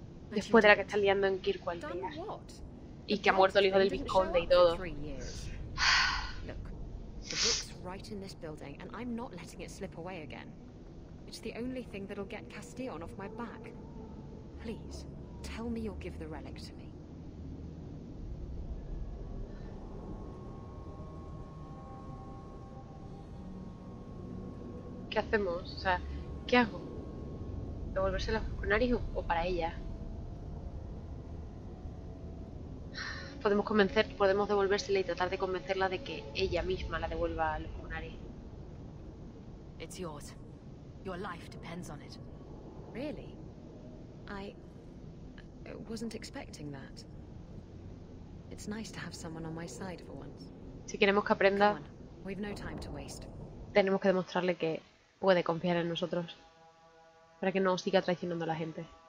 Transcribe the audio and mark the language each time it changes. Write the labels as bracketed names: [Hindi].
[Spanish] Después de la que está liando en Kirkwall, y que ha muerto el hijo del Vizconde y todo. [English] Look, the book's right in this building, and I'm not letting it slip away again. It's the only thing that'll get Castillon off my back. Please, tell me you'll give the relic to me. [Spanish] ¿Qué hacemos? O sea, ¿qué hago? ¿Devolvérselo a Canary o para ella? Podemos devolvérsela y tratar de convencerla de que ella misma la devuelva a los Canary. [English] It's yours. Your life depends on it. Really? I wasn't expecting that. It's nice to have someone on my side for once. [Spanish] Si queremos que aprenda, [English] come on. We've no time to waste. [Spanish] Tenemos que demostrarle que puede confiar en nosotros para que no siga traicionando a la gente.